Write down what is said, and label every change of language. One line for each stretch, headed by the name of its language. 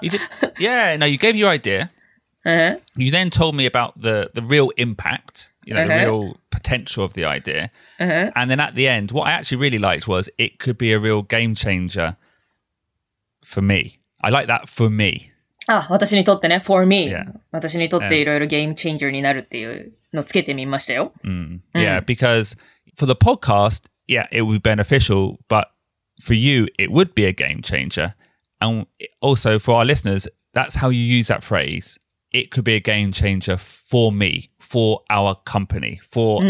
English: You did, yeah, no, you gave your idea. Uh-huh. You then told me about the real impact, you know, uh-huh. the real potential of the idea. Uh-huh. And then at the end, what I actually really liked was it could be a real game changer for me. I like that for me. Ah,
Japanese: 私にとってね、
English: for me. Yeah.
Japanese: 私にとっていろいろゲームチェンジャーになるっていうのつけてみましたよ。
English: Mm. Yeah, mm. because for the podcast... Yeah, it would be beneficial, but for you, it would be a game changer. And also for our listeners, that's how you use that phrase. It could be a game changer for me, for our company, for、mm.